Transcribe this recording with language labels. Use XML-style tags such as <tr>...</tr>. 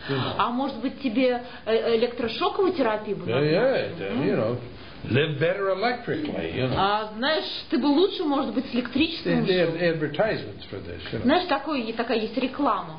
<ru>А может быть тебе электрошоковую терапию бы?</ru> <en>Yeah, you know, live better electrically, you know.</en> <ru>А знаешь, ты бы лучше, может быть, с электричеством.</ru> <en>They have advertisements for this, you know.</en> <ru>Знаешь, такая есть реклама.</ru>